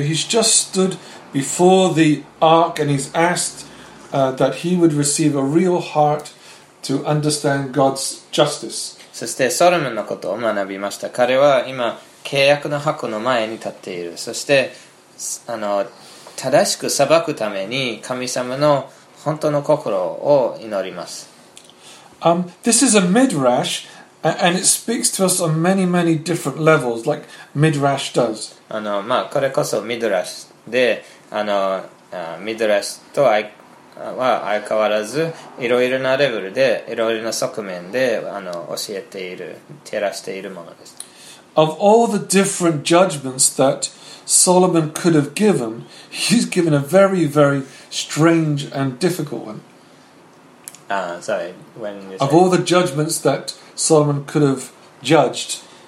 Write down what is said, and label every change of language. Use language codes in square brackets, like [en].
[en] He's just stood before the ark and he's asked that he would receive a real heartTo understand God's justice. [ja] そしてソロモンのことを学びました。彼は今契約の箱の前に立っている。そして正しく裁くために神様の本当の心を祈ります。 [en] This is a midrash, and it speaks to us on many, many different levels, like midrash does. [ja] これこそミドラシで、ミドラシとは相変わらずいろいろなレベルでいろいろな側面で教えている照らしているものです。 [en] Of all the different judgments that Solomon could have given, he's given a very, very strange and difficult one. Of all the judgments that Solomon could have judged,